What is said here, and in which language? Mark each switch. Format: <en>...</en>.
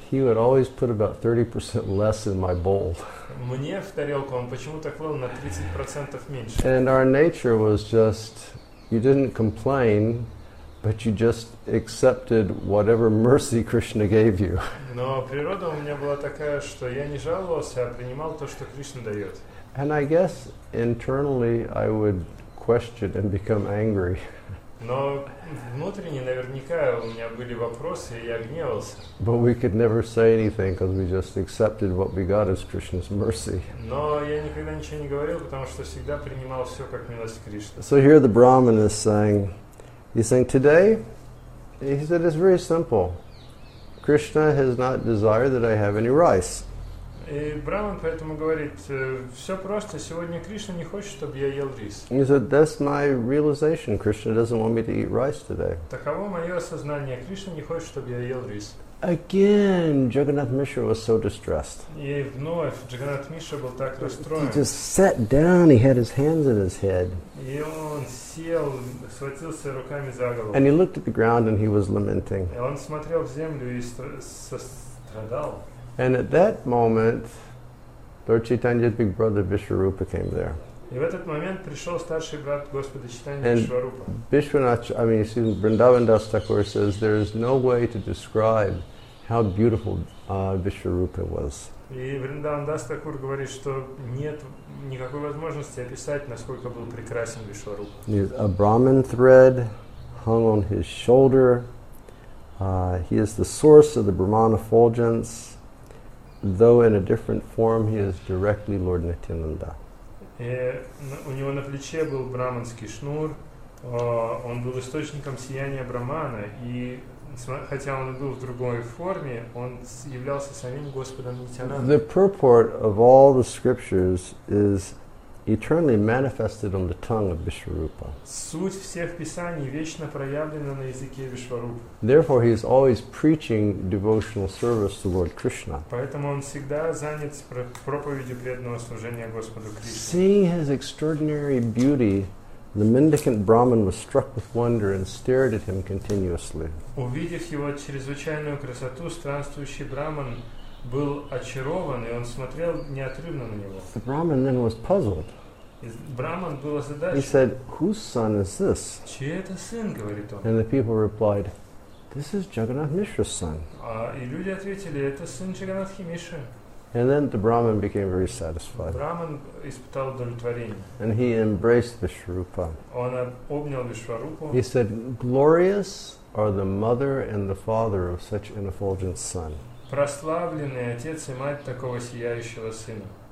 <en>He would always put about 30% less in my bowl.</en> <ru>Мне в тарелку он почему-то клал на 30% меньше.</ru> <en>And our nature was just, you didn't complain, but you just accepted whatever mercy Krishna gave you.</en> <ru>Но природа у меня была такая, что я не жаловался, а принимал то, что Кришна дает.</ru> <en>And I guess internally I would question and become angry.</en> <ru>Но внутренне наверняка у меня были вопросы, и я гневался.</ru> <en>But we could never say anything because we just accepted what we got as Krishna's mercy.</en> <ru>Но я никогда ничего не говорил, потому что всегда принимал все как милость Кришны.</ru> <en>So here the Brahmin is saying, he's saying today, he said it's very simple. Krishna has not desired that I have any rice.</en> <ru>И Брахман поэтому говорит, все просто, сегодня Кришна не хочет, чтобы я ел рис.</ru> <en>He said, that's my realization, Krishna doesn't want me to eat rice today.</en> <ru>Таково мое осознание, Кришна не хочет, чтобы я ел рис.</ru> <en>Again, Jagannath Mishra was so distressed.</en> <ru>И вновь Джаганнат Мишра был так расстроен.</ru> <en>He just sat down, he had his hands in his head.</en> <ru>И он сел, схватился руками за голову.</ru> <en>And he looked at the ground and he was lamenting.</en> <ru>И он смотрел в землю и страдал.</ru> <en>And at that moment, Lord Chaitanya's big brother Vishwarupa came there.</en> <ru>И в этот момент пришел старший брат Господа Чайтанья Вишварупа.</ru> <en>Vrindavan Das Thakur says there is no way to describe how beautiful Vishwarupa was.</en> <ru>И Vrindavan Das Thakur говорит, что нет никакой возможности описать, насколько был прекрасен Вишварупа.</ru> <en>A Brahmin thread hung on his shoulder. He is the source of the Brahman effulgence. Though in a different form, he is directly Lord Nityananda.</en> <ru>У него на плече был браманский шнур. Он был источником сияния Брамана. И хотя он был в другой форме, он являлся самим Господом Нитянандой.</ru> <en>The purport of all the scriptures is eternally manifested on the tongue of Vishwarupa.</en> <ru>Суть всех писаний вечно проявлена на языке Вишварупы.</ru> <en>Therefore, he is always preaching devotional service to Lord Krishna.</en> <ru>Поэтому он всегда занят проповедью преданного служения Господу Кришне.</ru> <en>Seeing his extraordinary beauty, the mendicant Brahmin was struck with wonder and stared at him continuously.</en> <ru>Увидев его чрезвычайную красоту, странствующий Брахман был очарован, и он смотрел неотрывно на него.</ru> <en>The Brahmin then was puzzled.</en> <ru>Brahman был озадачен.</ru> <en>He said, "Whose son is this?"</en> <ru>Чей это сын, говорит он.</ru> <en>And the people replied, "This is Jagannath Mishra's son."</en> <ru>И люди ответили, это сын Джаганатхи Мишры.</ru> <en>And then the Brahmin became very satisfied.</en> <ru>Brahman испытал удовлетворение.</ru> <en>And he embraced Vishwarupa.</en> <ru>Он обнял Вишварупу.</ru> <en>He said, "Glorious are the mother and the father of such an effulgent son."</en> <ru>Прославленный отец и мать такого сияющего сына.</ru>